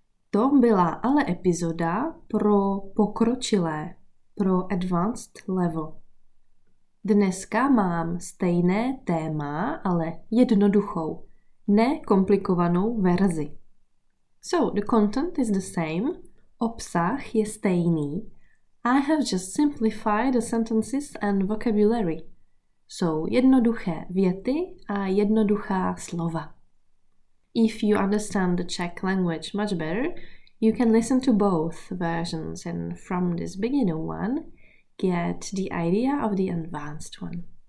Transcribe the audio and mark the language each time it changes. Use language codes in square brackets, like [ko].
[cs] To byla ale epizoda pro pokročilé, pro advanced level. Dneska mám stejné téma, ale jednoduchou, nekomplikovanou verzi. [en] So, the content is the same, [cs] obsah je stejný. [en] I have just simplified the sentences and vocabulary. [cs] Jsou jednoduché věty a jednoduchá slova. [en] If you understand the Czech language much better, you can listen to both versions and from this beginner one, get the idea of the advanced one.